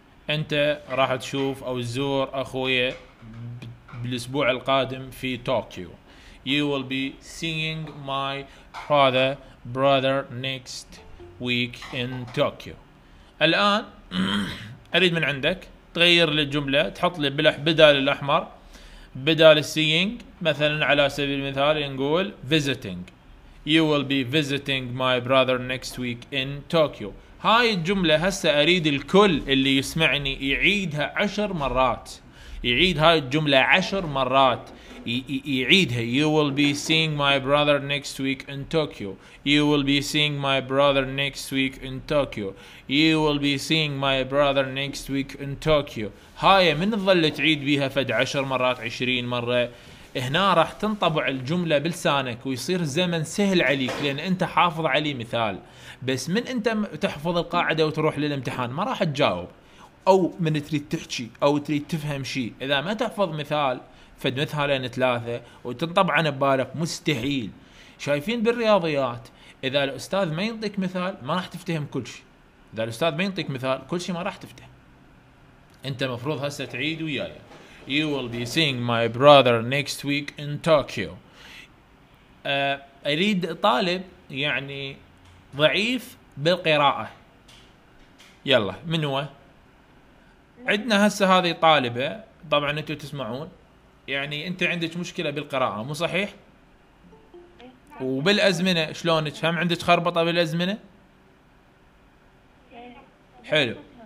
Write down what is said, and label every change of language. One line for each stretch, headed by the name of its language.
Arabic: أنت راح تشوف أو تزور أخويا بالأسبوع القادم في طوكيو.
English: You will be seeing my brother next week in Tokyo.
Arabic: الآن أريد من عندك تغير للجملة، تحط لي بلح بدال الأحمر، بدال seeing مثلا على سبيل المثال نقول visiting.
English: You will be visiting my brother next week in Tokyo.
Arabic: هاي الجملة هسا أريد الكل اللي يسمعني يعيدها 10 مرات. يعيد هاي الجملة 10 مرات. يعيدها.
English: You will be seeing my brother next week in Tokyo. You will be seeing my brother next week in Tokyo. You will be seeing my brother next week in Tokyo.
Arabic: هاي من الظل تعيد بيها فد 10 مرات 20 مرة. هنا راح تنطبع الجملة بلسانك ويصير الزمن سهل عليك لأن أنت حافظ عليه مثال. بس من أنت تحفظ القاعدة وتروح للامتحان ما راح تجاوب، أو من تريد تحكي أو تريد تفهم شيء إذا ما تحفظ مثال فد مثالين ثلاثة وتنطبع عن ببالك مستحيل. شايفين بالرياضيات إذا الأستاذ ما ينطيك مثال ما راح تفتهم كل شيء. إذا الأستاذ ما ينطيك مثال كل شيء ما راح تفتهم. أنت مفروض هسه تعيد وياي.
English: You will be seeing my brother next week in Tokyo.
Arabic: أريد طالب يعني ضعيف بالقراءة. يلا من هو؟ عندنا هسه هذه طالبة طبعا أنتوا تسمعون، يعني أنت عندك مشكلة بالقراءة مو صحيح؟ وبالأزمنة شلونك؟ هم عندك خربطة بالأزمنة؟ حلو.